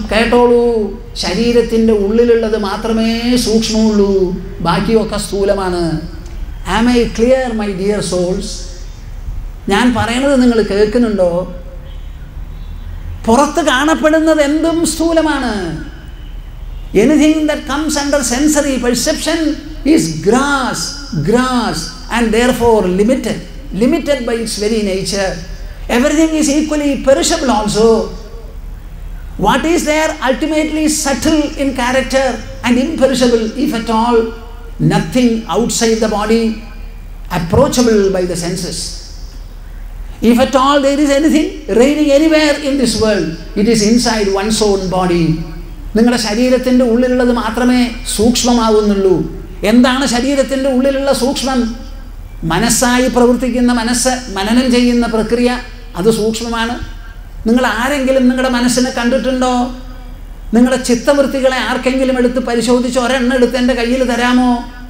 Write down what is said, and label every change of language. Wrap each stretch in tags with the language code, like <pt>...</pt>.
<ml>കേട്ടോളൂ, ശരീരത്തിൻ്റെ ഉള്ളിലുള്ളത് മാത്രമേ സൂക്ഷ്മമുള്ളൂ, ബാക്കിയൊക്കെ സ്ഥൂലമാണ്.</ml> <en>Am I clear, my dear souls?</en> <ml>ഞാൻ പറയുന്നത് നിങ്ങൾ കേൾക്കുന്നുണ്ടോ? പുറത്ത് കാണപ്പെടുന്നത് എന്തും സ്ഥൂലമാണ്.</ml> <en>Anything that comes under sensory perception is grass, grass, and therefore limited, limited by its very nature. Everything is equally perishable also. What is there ultimately subtle in character and imperishable, if at all? Nothing outside the body, approachable by the senses. If at all there is anything reigning anywhere in this world, it is inside one's own body.</en> <ml>നിങ്ങളുടെ ശരീരത്തിൻ്റെ ഉള്ളിലുള്ളത് മാത്രമേ സൂക്ഷ്മമാകുന്നുള്ളൂ. എന്താണ് ശരീരത്തിൻ്റെ ഉള്ളിലുള്ള സൂക്ഷ്മം? മനസ്സായി പ്രവർത്തിക്കുന്ന മനസ്സ്, മനനം ചെയ്യുന്ന പ്രക്രിയ, അത് സൂക്ഷ്മമാണ്. നിങ്ങൾ ആരെങ്കിലും നിങ്ങളുടെ മനസ്സിനെ കണ്ടിട്ടുണ്ടോ? നിങ്ങളുടെ ചിത്തവൃത്തികളെ ആർക്കെങ്കിലും എടുത്ത് പരിശോധിച്ച് ഒരെണ്ണം എടുത്ത് എൻ്റെ കയ്യിൽ തരാമോ?</ml>